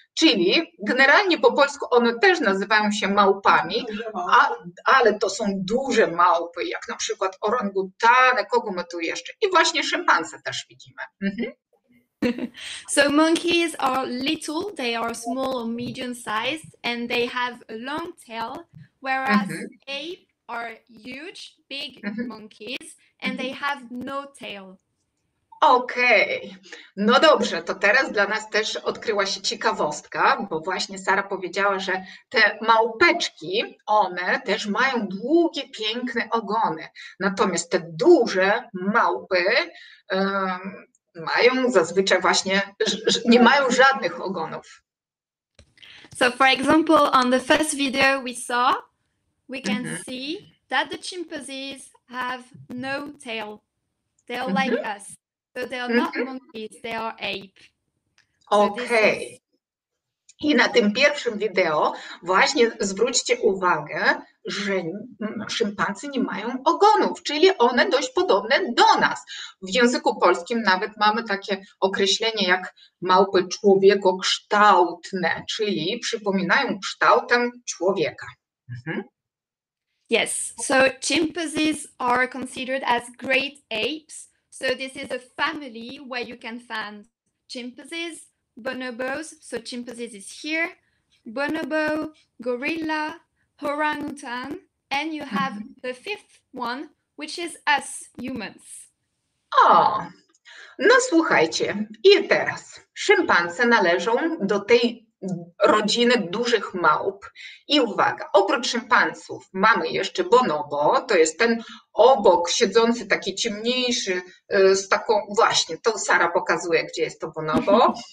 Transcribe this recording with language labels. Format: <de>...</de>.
<pl>Czyli generalnie po polsku one też nazywają się małpami, ale to są duże małpy, jak na przykład orangutany, kogo my tu jeszcze? I właśnie szympansę też widzimy.</pl> <en>So monkeys are little, they are small or medium sized and they have a long tail, whereas apes are huge, big monkeys and they have no tail.</en> <pl>Okej, no dobrze, to teraz dla nas też odkryła się ciekawostka, bo właśnie Sara powiedziała, że te małpeczki, one też mają długie, piękne ogony, natomiast te duże małpy mają zazwyczaj właśnie, nie mają żadnych ogonów.</pl> <en>So for example, on the first video we saw, we can see that the chimpanzees have no tail. They are like us. So they are not monkeys, they are apes. Okej.</en> <pl>I na tym pierwszym wideo właśnie zwróćcie uwagę, że szympansy nie mają ogonów, czyli one dość podobne do nas. W języku polskim nawet mamy takie określenie jak małpy człowiekokształtne, czyli przypominają kształtem człowieka.</pl> <en>Yes, so chimpanzees are considered as great apes. So this is a family where you can find chimpanzees, bonobos, so chimpanzees is here, bonobo, gorilla, orangutan, and you have the fifth one, which is us, humans.</en> <pl>O, no słuchajcie, i teraz, szympanse należą do tej rodziny dużych małp. I uwaga, oprócz szympansów mamy jeszcze bonobo, to jest ten obok siedzący, taki ciemniejszy, z taką, właśnie, to Sara pokazuje, gdzie jest to bonobo.</pl>